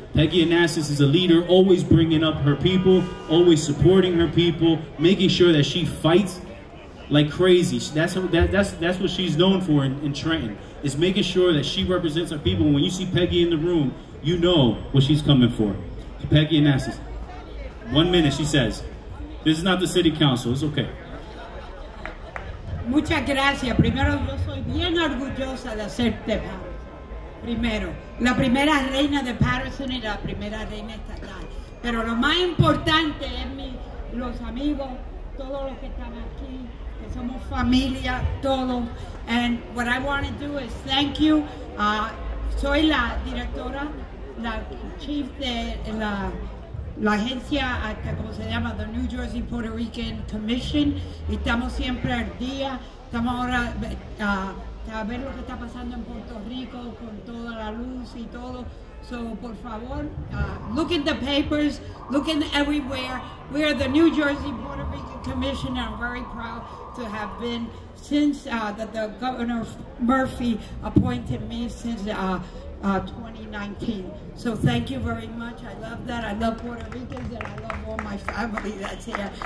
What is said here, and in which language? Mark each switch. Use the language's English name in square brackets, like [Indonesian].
[English] Peggy Anastas is a leader, always bringing up her people, always supporting her people, making sure that she fights like crazy. That's what she's known for in Trenton, is making sure that she represents our people. When you see Peggy in the room, you know what she's coming for. Peggy Anastas. 1 minute, she says. This is not the city council, it's okay. [Spanish] Muchas gracias. Primero, yo soy bien orgullosa de hacerte parte. Primero, la primera reina de Paterson y la primera reina estatal. Pero lo más importante es los amigos, todos los que están aquí, que somos familia, todos. [English] And what I want to do is thank you. [Spanish] Soy la directora, la chief de la agencia, como se llama, the New Jersey Puerto Rican Commission. Y estamos siempre al día. Estamos ahora a ver lo que está pasando en Puerto Rico con toda la luz y todo. [English] So, [Spanish] por favor, [English] look in the papers, look in everywhere. We are the New Jersey Puerto Rican Commission. I'm very proud to have been since that the Governor Murphy appointed me since 2019. So thank you very much. I love that. I love Puerto Ricans and I love all my family that's here.